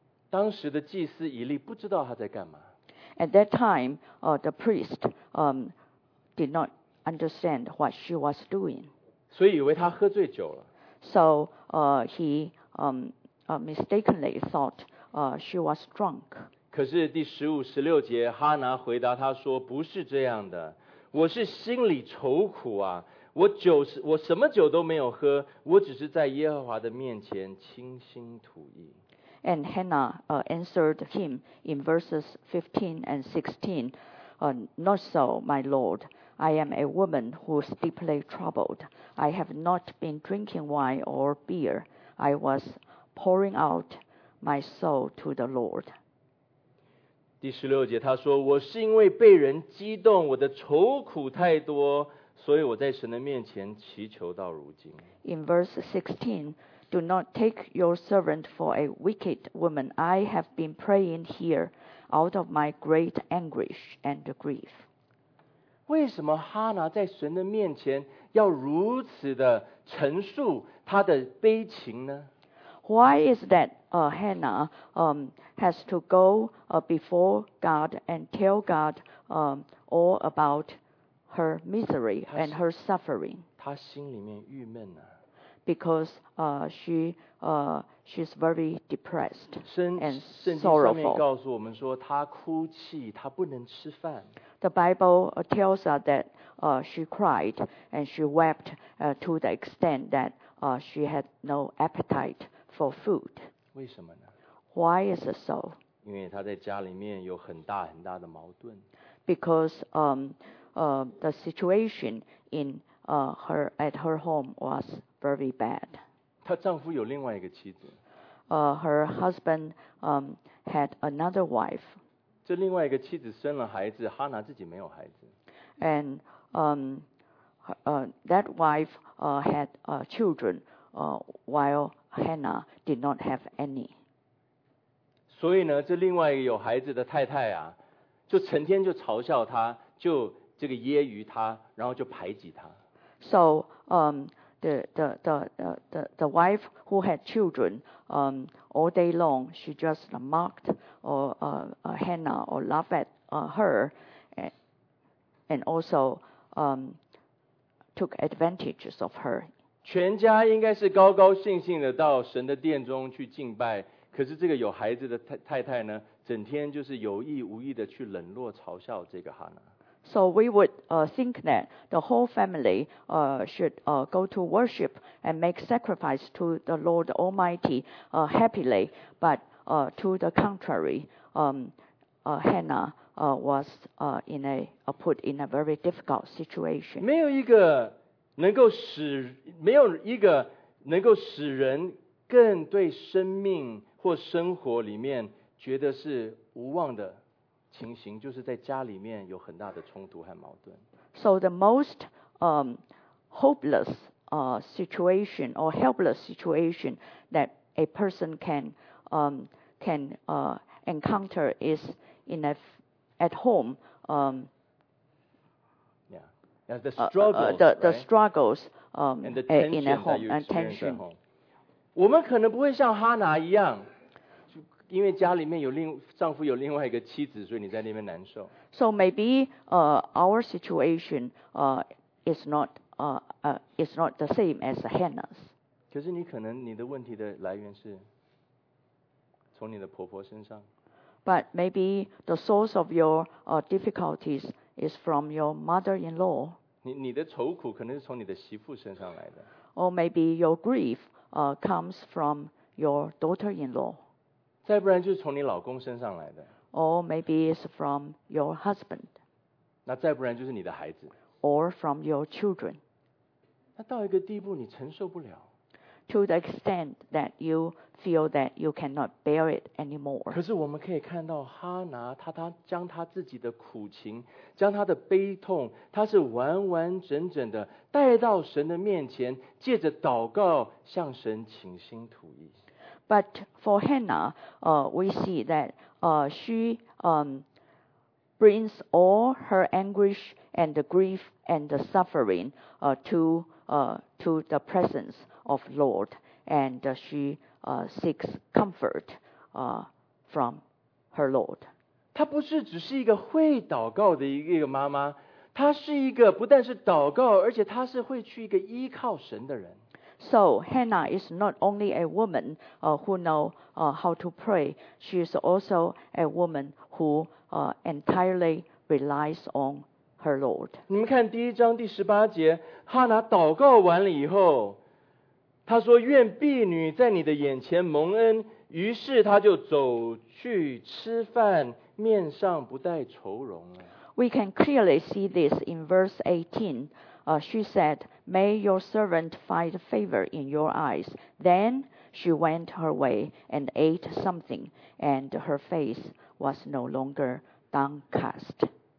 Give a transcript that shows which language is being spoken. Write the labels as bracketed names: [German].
[Chinese] 当时的祭司以利不知道她在干嘛。 [English] At that time, the priest did not understand what she was doing. [Chinese] 所以以为她喝醉酒了。 [English] So he mistakenly thought she was drunk. [Chinese] 可是第十五、十六节，哈拿回答他说：“不是这样的，我是心里愁苦啊！我什么酒都没有喝，我只是在耶和华的面前倾心吐意。” [English] And Hannah answered him in verses 15 and 16, "Not so, my Lord. I am a woman who is deeply troubled. I have not been drinking wine or beer. I was pouring out my soul to the Lord. [Chinese] 第十六节他说，我是因为被人激动，我的愁苦太多，所以我在神的面前祈求到如今。 [English] In verse 16, do not take your servant for a wicked woman. I have been praying here out of my great anguish and grief. [Chinese] 为什么哈拿在神的面前要如此的陈述她的悲情呢？ [English] Why is that Hannah has to go before God and tell God all about her misery and her suffering? [Chinese] 她心里面郁闷啊。 [English] Because she's very depressed and sorrowful. [Chinese] 圣经上面告诉我们说她哭泣，她不能吃饭。 [English] The Bible tells us that she cried and she wept to the extent that she had no appetite for food. [Chinese] 为什么呢？ [English] Why is it so? [Chinese] 因为她在家里面有很大很大的矛盾。 [English] Because the situation in her home was very bad. [Chinese] 她丈夫有另外一个妻子。 [English] Her husband had another wife. [Chinese] 这另外一个妻子生了孩子，哈拿自己没有孩子。 [English] And that wife had children, while Hannah did not have any. [Chinese] 所以呢，这另外一个有孩子的太太啊，就成天就嘲笑她，就这个揶揄她，然后就排挤她。 [English] So the wife who had children all day long, she just mocked Hannah or laugh at her and also took advantages of her. [Chinese] 全家应该是高高兴兴的到神的殿中去敬拜，可是这个有孩子的太太呢，整天就是有意无意的去冷落嘲笑这个哈拿。 [English] So we would think that the whole family should go to worship and make sacrifice to the Lord Almighty happily, but to the contrary, Hannah was put in a very difficult situation. [Chinese] 没有一个能够使人更对生命或生活里面觉得是无望的。情形就是在家里面有很大的冲突和矛盾。 [English] So the most hopeless situation or helpless situation that a person can encounter is in at home. Yeah, the struggles, the struggles and the tension in at home and tension. [Chinese] 我们可能不会像哈拿一样。因为家里面有丈夫有另外一个妻子，所以你在那边难受。 [English] So maybe our situation is not the same as Hannah's. [Chinese] 可是你可能你的问题的来源是从你的婆婆身上。 [English] But maybe the source of your difficulties is from your mother-in-law. [Chinese] 你的愁苦可能是从你的媳妇身上来的。 [English] Or maybe your grief comes from your daughter-in-law. [Chinese] 再不然就是从你老公身上来的。 [English] Or maybe it's from your husband. [Chinese] 那再不然就是你的孩子。 [English] Or from your children. [Chinese] 那到一个地步你承受不了。 [English] To the extent that you feel that you cannot bear it anymore. [Chinese] 可是我们可以看到哈拿，他将他自己的苦情，将他的悲痛，他是完完整整的带到神的面前，借着祷告向神倾心吐意。 [English] But for Hannah, we see that she brings all her anguish and the grief and the suffering to the presence of Lord, and she seeks comfort from her Lord. [Chinese] 她不是只是一个会祷告的一个妈妈，她是一个不但是祷告，而且她是会去一个依靠神的人。 [English] So Hannah is not only a woman who knows how to pray. She is also a woman who entirely relies on her Lord. [Chinese] 你们看第一章第十八节，哈拿祷告完了以后，她说：“愿婢女在你的眼前蒙恩。” 于是她就走去吃饭，面上不带愁容了。 [English] We can clearly see this in verse 18. She said, May your servant find favor in your eyes. Then she went her way and ate something, and her face was no longer downcast.